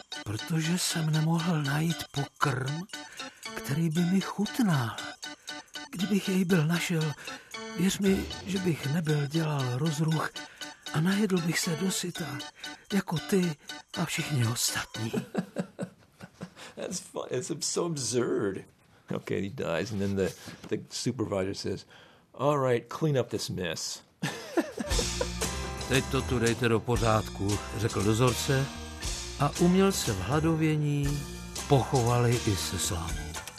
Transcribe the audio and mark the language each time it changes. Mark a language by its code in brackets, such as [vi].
[cs] Protože jsem nemohl najít pokrm, který by mi chutnal. Kdybych jej byl našel, věř mi, že bych nebyl dělal rozruch a najedl bych se dosyta, jako ty a všichni ostatní. [en] That's funny. It's so absurd. Okay, he dies, and then the supervisor says, all right, clean up this mess. [cs] Teď to tu dejte do pořádku, řekl dozorce, a umělce v hladovění pochovali i se slámou.